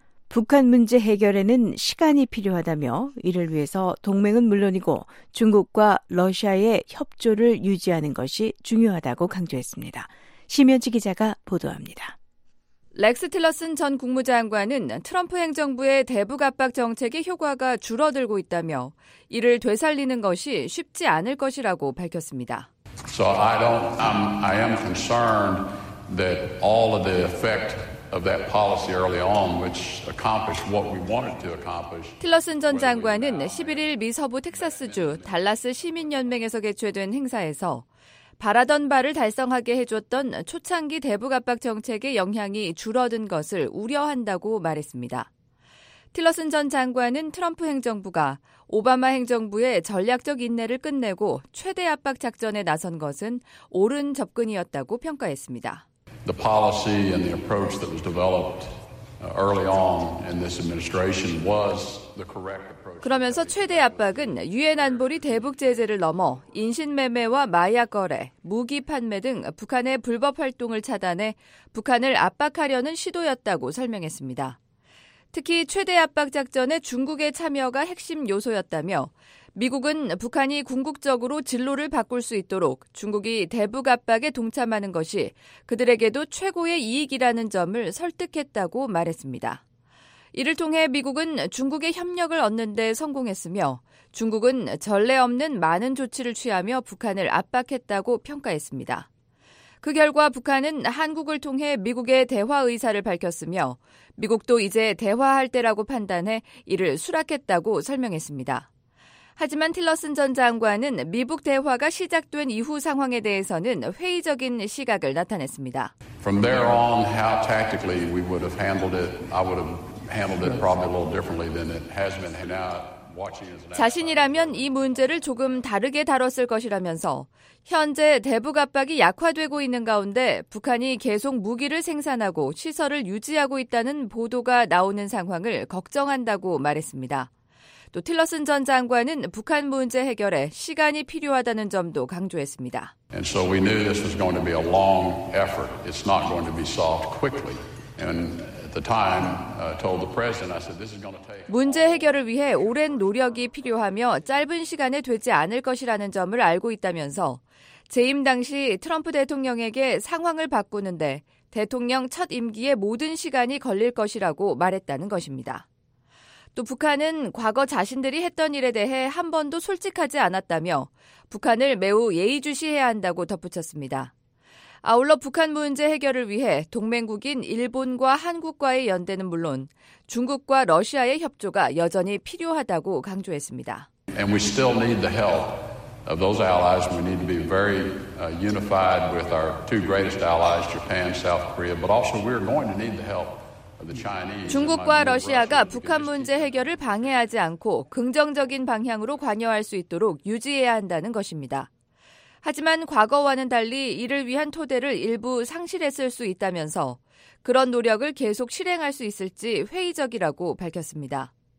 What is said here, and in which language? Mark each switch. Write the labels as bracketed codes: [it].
[ko] 북한 문제 해결에는 시간이 필요하다며 이를 위해서 동맹은 물론이고 중국과 러시아의 협조를 유지하는 것이 중요하다고 강조했습니다. 심현지 기자가 보도합니다. 렉스 틸러슨 전 국무장관은 트럼프 행정부의 대북 압박 정책의 효과가 줄어들고 있다며 이를 되살리는 것이 쉽지 않을 것이라고 밝혔습니다. [en] So I am concerned that all of the effect of that policy early on which accomplished what we wanted to accomplish. [ko] 틸러슨 전 장관은 11일 미 서부 텍사스주 달라스 시민연맹에서 개최된 행사에서 바라던 바를 달성하게 해줬던 초창기 대북 압박 정책의 영향이 줄어든 것을 우려한다고 말했습니다. 틸러슨 전 장관은 트럼프 행정부가 오바마 행정부의 전략적 인내를 끝내고 최대 압박 작전에 나선 것은 옳은 접근이었다고 평가했습니다. [en] The policy and the approach that was developed early on in this administration was [ko] 그러면서 최대 압박은 유엔 안보리 대북 제재를 넘어 인신매매와 마약 거래, 무기 판매 등 북한의 불법 활동을 차단해 북한을 압박하려는 시도였다고 설명했습니다. 특히 최대 압박 작전에 중국의 참여가 핵심 요소였다며 미국은 북한이 궁극적으로 진로를 바꿀 수 있도록 중국이 대북 압박에 동참하는 것이 그들에게도 최고의 이익이라는 점을 설득했다고 말했습니다. 이를 통해 미국은 중국의 협력을 얻는 데 성공했으며 중국은 전례 없는 많은 조치를 취하며 북한을 압박했다고 평가했습니다. 그 결과 북한은 한국을 통해 미국의 대화 의사를 밝혔으며 미국도 이제 대화할 때라고 판단해 이를 수락했다고 설명했습니다. 하지만 틸러슨 전 장관은 미북 대화가 시작된 이후 상황에 대해서는 회의적인 시각을 나타냈습니다. [en] From there on, how tactically we would have handled it, I would have handled it probably a little differently than it has been. Now, watching as [ko] 자신이라면 이 문제를 조금 다르게 다뤘을 것이라면서 현재 대북 압박이 약화되고 있는 가운데 북한이 계속 무기를 생산하고 시설을 유지하고 있다는 보도가 나오는 상황을 걱정한다고 말했습니다. 또 틸러슨 전 장관은 북한 문제 해결에 시간이 필요하다는 점도 강조했습니다. [en] And so we knew this was going to be a long effort. It's not going to be solved quickly. And at the time, told the president, I said, this is going to take. [ko] 문제 해결을 위해 오랜 노력이 필요하며 짧은 시간에 되지 않을 것이라는 점을 알고 있다면서 재임 당시 트럼프 대통령에게 상황을 바꾸는데 대통령 첫 임기에 모든 시간이 걸릴 것이라고 말했다는 것입니다. 또 북한은 과거 자신들이 했던 일에 대해 한 번도 솔직하지 않았다며 북한을 매우 예의주시해야 한다고 덧붙였습니다. 아울러 북한 문제 해결을 위해 동맹국인 일본과 한국과의 연대는 물론 중국과 러시아의 협조가 여전히 필요하다고 강조했습니다. [en] And we still need the help of those allies. We need to be very unified with our two greatest allies, Japan, South Korea, but also we're going to need the help. [ko] 중국과 러시아가 북한 문제 해결을 방해하지 않고 긍정적인 방향으로 관여할 수 있도록 유지해야 한다는 것입니다. 하지만 과거와는 달리 이를 위한 토대를 일부 상실했을 수 있다면서 그런 노력을 계속 실행할 수 있을지 회의적이라고 밝혔습니다.